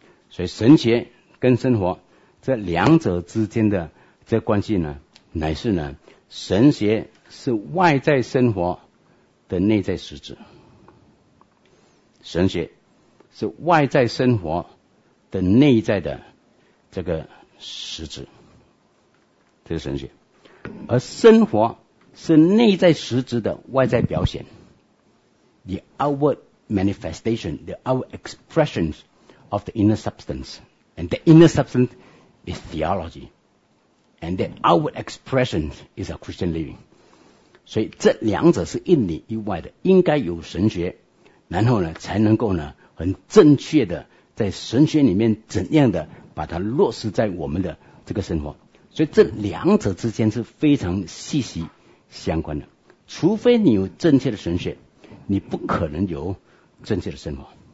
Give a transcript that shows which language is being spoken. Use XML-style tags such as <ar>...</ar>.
<zh>所以神学跟生活这两者之间的这关系呢，乃是呢神学是外在生活的内在实质，神学是外在生活的内在的这个实质，这是神学。而生活是内在实质的外在表现，</zh> <en>The outward manifestation, the outward expressions of the inner substance, and the inner substance is theology, and the outward expression is a Christian living.</en> <zh>所以这两者是一里一外的，应该有神学，然后呢才能够呢很正确的在神学里面怎样的把它落实在我们的这个生活。所以这两者之间是非常息息相关的，除非你有正确的神学，你不可能有正确的生活。</zh>